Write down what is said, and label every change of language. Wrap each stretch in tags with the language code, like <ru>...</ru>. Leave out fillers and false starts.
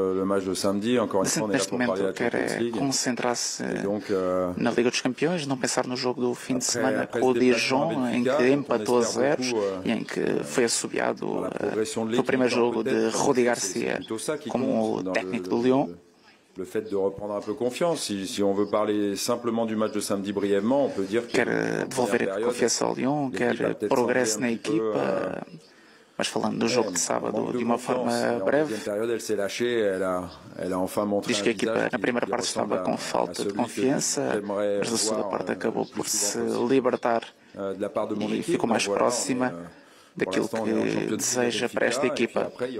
<pt>Neste momento, quer concentrar-se na Liga dos Campeões, não pensar no jogo do fim de semana com o Dijon, em que empatou a zeros e em que foi assobiado o primeiro jogo de Rudi Garcia como técnico do Lyon.</pt> <fr>Le fait de reprendre un peu confiance. Si on veut parler simplement du match de samedi brièvement, on peut dire que...</fr> <pt>Quer devolver a confiança ao Lyon, quer progresso na equipa, mas falando do jogo de sábado de uma forma breve, diz que a equipa na primeira parte estava com falta de confiança, mas na segunda parte acabou por se libertar e ficou mais próxima daquilo que deseja para esta equipa.</pt>